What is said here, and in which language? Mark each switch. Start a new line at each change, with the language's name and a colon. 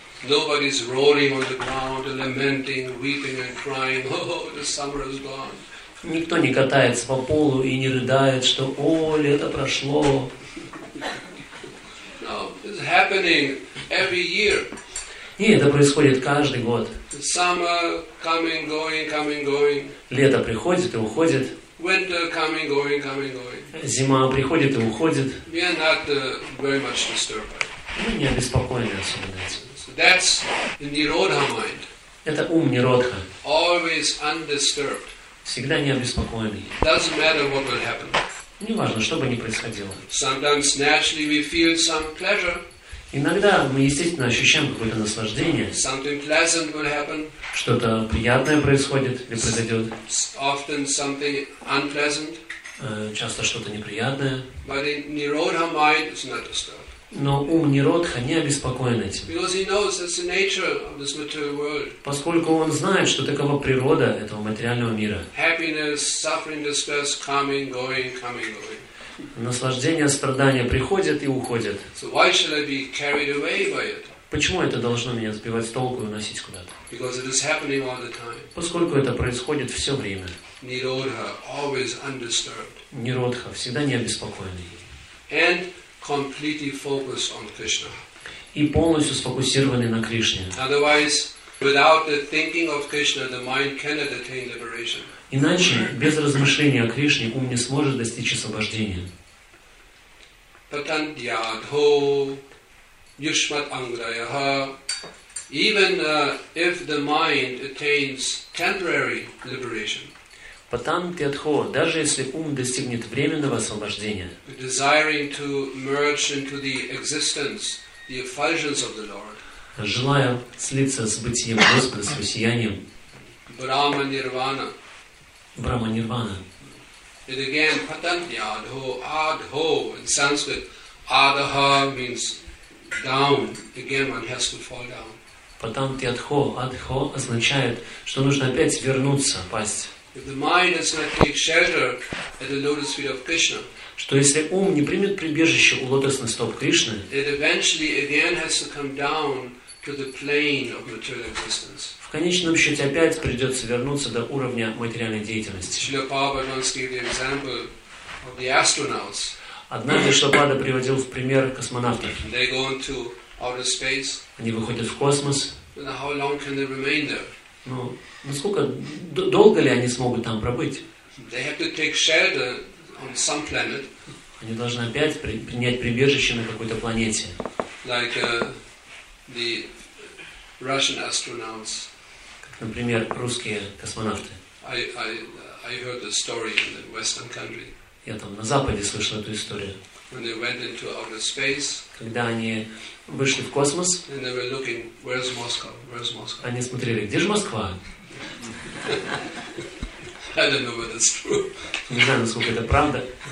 English: Nobody is rolling on the ground and lamenting, weeping and crying, oh, the summer is gone.
Russian: Никто не катается по полу и не рыдает, что, о, лето прошло.
English: No, it's happening. Every year.
Russian: Нет, это происходит каждый год.
English: Summer coming, going, coming, going.
Russian: Лето приходит и уходит.
English: Winter coming, going, coming, going.
Russian: Зима приходит и уходит.
English: We are not very much disturbed.
Russian: Мы не обеспокоены особенно этим.
English: So that's the Nirodha mind.
Russian: Это ум Nirodha.
English: Always undisturbed.
Russian: Всегда не обеспокоенный.
English: Doesn't matter what will happen.
Russian: Не важно, что бы ни происходило.
English: Sometimes naturally we feel some pleasure.
Russian: Иногда мы естественно ощущаем какое-то наслаждение.
English: Something pleasant will happen.
Russian: Что-то приятное происходит или произойдет.
English: Often something unpleasant.
Russian: Часто что-то неприятное.
English: But in Nirodha mind is not disturbed.
Russian: Но ум Ниродха не обеспокоен этим.
English: Because he knows that's the nature of this material world.
Russian: Поскольку он знает, что такова природа этого материального мира.
English: Happiness, suffering, distress, coming, going, coming, going.
Russian: Наслаждение, страдания приходят и уходят.
English: So why should I be carried away by it?
Russian: Почему это должно меня сбивать с толку и уносить куда-то?
English: Because it is happening all the time.
Russian: Поскольку это происходит все время.
English: Nirodha, always undisturbed.
Russian: Ниродха всегда не обеспокоенный.
English: And completely focused on Krishna.
Russian: И полностью сфокусированный на Кришне.
English: Otherwise, without the thinking of Krishna, the mind cannot attain liberation.
Russian: Иначе, без размышления о Кришне, ум не сможет достичь освобождения.
Sanskrit: Patandhyadho yushmat angrayaha.
English: Even if the mind attains temporary liberation.
Russian: Патандхьядхо, даже если ум достигнет временного освобождения,
English: desiring to merge into the existence, the effulgence of the Lord.
Russian: Желая слиться с бытием Господа, с его сиянием. Брахма-нирвана. Брахма-нирвана.
English: It again, patandhyadho, adho, in Sanskrit, adha means down. Again, one has to fall down.
Russian: Патандхьядхо, адхо означает, что нужно опять вернуться, пасть.
English: If the mind does not take shelter at the lotus feet of Krishna,
Russian: что если ум не примет прибежище у лотосных стоп Кришны,
English: it eventually again has to come down to the plane of material existence.
Russian: В конечном счете опять придется вернуться до уровня материальной деятельности.
English: Srila Prabhupada once gave the example of the astronauts.
Russian: Однажды Шрила Прабхупада приводил в пример космонавтов.
English: They go into outer space.
Russian: Они выходят в космос.
English: Then how long can they remain there?
Russian: Ну, насколько долго ли они смогут там пробыть?
English: They have to take shelter on some planet.
Russian: Они должны опять принять прибежище на какой-то планете.
English: Like the Russian astronauts.
Russian: Как, например, русские космонавты.
English: I heard the story in the Western country.
Russian: Я там на Западе слышал эту историю.
English: When they went into outer space.
Russian: Когда они вышли в космос.
English: And they were looking, where's Moscow? Where's Moscow?
Russian: Они смотрели, где же Москва?
English: I don't know whether it's true.
Russian: Не знаю, насколько это правда.